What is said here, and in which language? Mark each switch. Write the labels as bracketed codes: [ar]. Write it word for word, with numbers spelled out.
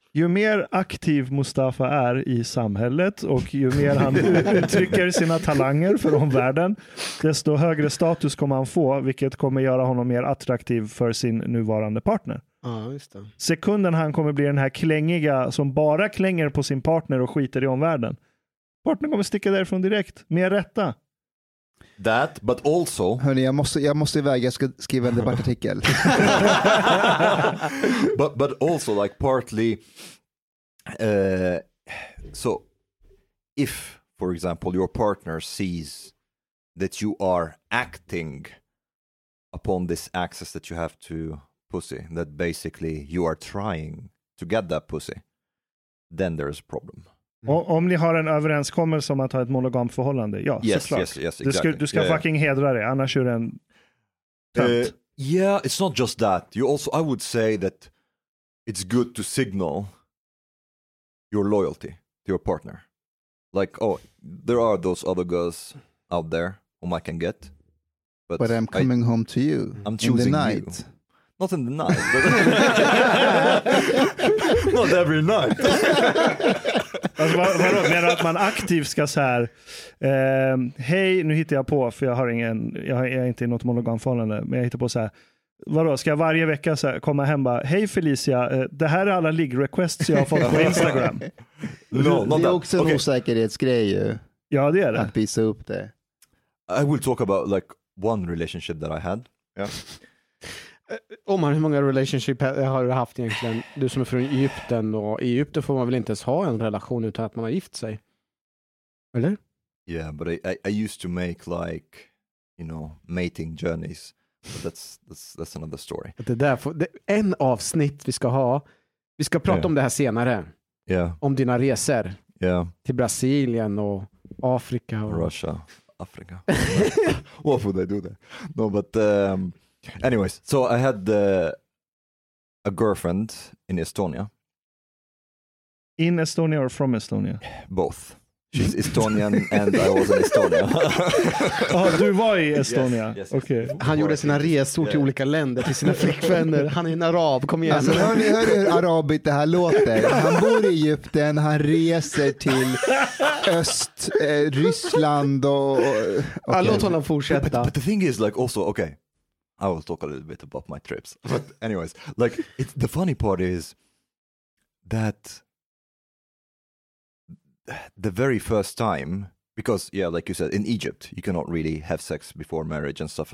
[sv] Ju mer aktiv Mustafa är i samhället och ju mer han uttrycker sina talanger för omvärlden, desto högre status kommer han få, vilket kommer göra honom mer attraktiv för sin nuvarande partner. Ja, just det. Sekunden han kommer bli den här klängiga som bara klänger på sin partner och skiter i omvärlden. Partnern kommer sticka därifrån direkt. Mer rätta. [en] That, but also... [sv] Hörrni, jag måste, jag måste iväg. Jag ska skriva en debattartikel. [en] but, but also, like, partly... Uh, so, if, for example, your partner sees that you are acting upon this access that you have to... pussy, that basically you are trying to get that pussy, then there's a problem. Mm. [sv] Och om ni har en överenskommelse om att ha ett monogamt förhållande, ja, [en] yes, [sv] såklart. [en] Yes, yes, [sv] exactly. Du ska, du ska yeah, fucking hedra det, annars är det en tönt. [en] Uh, yeah, it's not just that. You also, I would say that it's good to signal your loyalty to your partner. Like, oh, there are those other girls out there whom I can get. But, but I'm coming I, home to you I'm choosing in the night. You. Not in the night, but not every night. [sv] Alltså, vad, vadå, menar du att man aktivt ska så här, eh, hej, nu hittar jag på, för jag har ingen, jag är inte i något monogamförhållande, men jag hittar på så här, vadå, ska jag varje vecka så här, komma hem och bara, hej Felicia, eh, det här är alla ligg-requests jag har fått på Instagram. No, det är också en okay. osäkerhetsgrej ju. Ja, det är det. Att visa upp det. [en] I will talk about like one relationship that I had. Yeah. [sv] Omar, hur många relationship har du haft egentligen? Du som är från Egypten, och i Egypten får man väl inte ens ha en relation utan att man har gift sig? Eller? [en] Yeah, but I, I, I used to make like, you know, mating journeys. But that's, that's, that's another story. [sv] Det där får, det, en avsnitt vi ska ha. Vi ska prata yeah. om det här senare. [en] Yeah. [sv] Om dina resor. [en] Yeah. [sv] Till Brasilien och Afrika. Och [en] Russia. Africa. What would I do there? No, but um, anyways, so I had uh, a girlfriend in Estonia. In Estonia or from Estonia? Both. She's Estonian and I was in Estonia. [sv] Ah, du var i Estonia? [en] Yes, yes, okay. Yes. [sv] Han gjorde sina resor yeah. till olika länder till sina flickvänner. Han är en arab, kom igen. Alltså, hör ni hur arabigt det här låter? Han bor i Egypten, han reser till Öst, eh, Ryssland och... och okay. ah, låt honom fortsätta. [en] But, but the thing is like also, okay, I will talk a little bit about my trips. But anyways, like it's, the funny part is that... the very first time, because yeah, like you said, in Egypt you cannot really have sex before marriage and stuff.